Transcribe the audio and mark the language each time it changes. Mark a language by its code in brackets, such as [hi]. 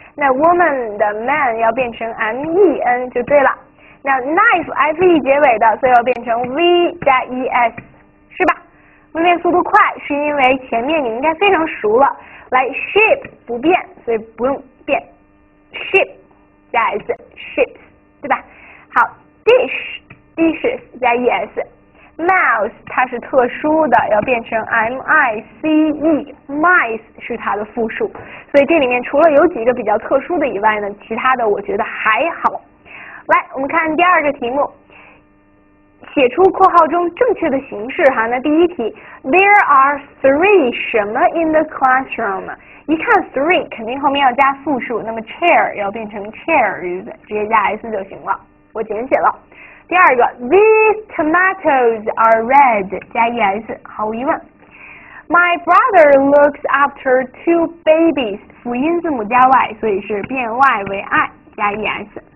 [zh] 那 woman 的 man 要变成 men 就对了，那 knife fe 结尾的，所以要变成 v 加 es 是吧？不变速度快，是因为前面你应该非常熟了。来，ship 不变，所以不用变。 ship 加 s，ships 对吧？好，dishes 加 es，mouse 它是特殊的，要变成 mice，mice 是它的复数。所以这里面除了有几个比较特殊的以外呢，其他的我觉得还好。来，我们看第二个题目。写出括号中正确的形式哈。那第一题， [en] There are three 什么 in the classroom？ [zh] 一看 three 肯定后面要加复数，那么 chair 要变成 chairs，直接加 s 就行了。我简写了。第二个， [en] These tomatoes are red， [zh] 加 es，毫无疑问。 [en] My brother looks after two babies， [zh] 辅音字母加 y，所以是变 y 为 i，加 es。